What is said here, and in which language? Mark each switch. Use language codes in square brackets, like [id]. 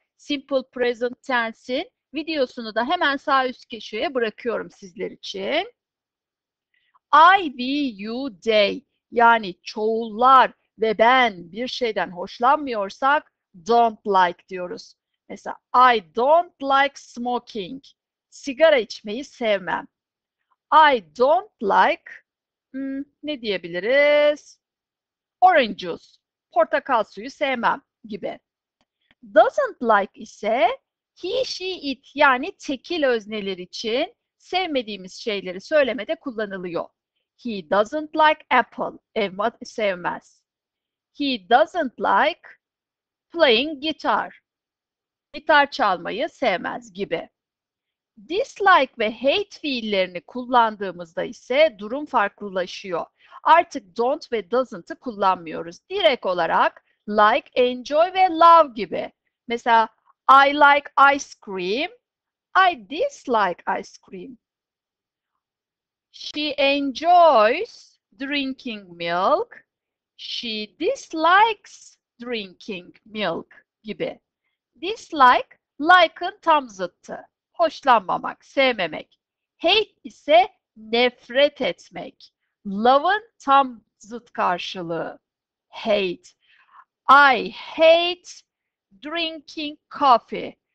[tr] Simple Present Tense'in videosunu da hemen sağ üst köşeye bırakıyorum sizler için. I, we, you, they, yani çoğullar ve ben bir şeyden hoşlanmıyorsak don't like diyoruz. [en] Mesela I don't like smoking. [tr] Sigara içmeyi sevmem. [en] I don't like, [tr] ne diyebiliriz? Orange juice, portakal suyu sevmem gibi. Doesn't like ise he, she, it, yani tekil özneler için sevmediğimiz şeyleri söylemede kullanılıyor. [en] He doesn't like apple, [tr] elma sevmez. [en] He doesn't like playing guitar, [tr] gitar çalmayı sevmez gibi. Dislike ve hate fiillerini kullandığımızda ise durum farklılaşıyor. Artık don't ve doesn't'ı kullanmıyoruz. Direkt olarak like, enjoy ve love gibi. [en] Mesela I like ice cream, I dislike ice cream. She enjoys drinking milk, she dislikes drinking milk gibi. [tr] Dislike, like'ın tam zıttı. Hoşlanmamak, sevmemek. Hate ise nefret etmek. Love'ın tam zıt karşılığı. Hate. [en] I hate drinking coffee.